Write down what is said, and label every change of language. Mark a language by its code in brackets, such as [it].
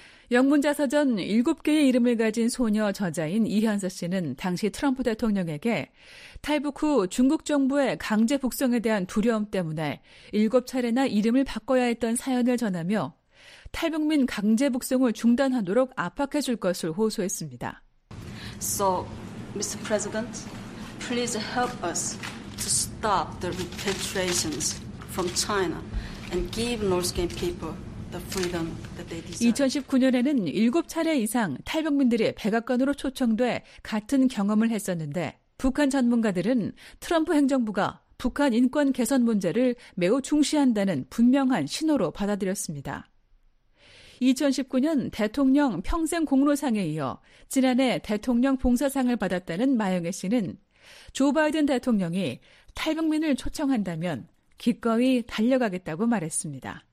[ko] 영문자서전 7개의 이름을 가진 소녀 저자인 이현서 씨는 당시 트럼프 대통령에게 탈북 후 중국 정부의 강제 북송에 대한 두려움 때문에 7차례나 이름을 바꿔야 했던 사연을 전하며 탈북민 강제 북송을 중단하도록 압박해 줄 것을 호소했습니다. [en] So, Mr. President, please help us to stop the repatriations from China and give North Korean people the freedom that they deserve. [ko] 2019년에는 7차례 이상 탈북민들이 백악관으로 초청돼 같은 경험을 했었는데 북한 전문가들은 트럼프 행정부가 북한 인권 개선 문제를 매우 중시한다는 분명한 신호로 받아들였습니다. 2019년 대통령 평생 공로상에 이어 지난해 대통령 봉사상을 받았다는 마영애 씨는 조 바이든 대통령이 탈북민을 초청한다면 기꺼이 달려가겠다고 말했습니다.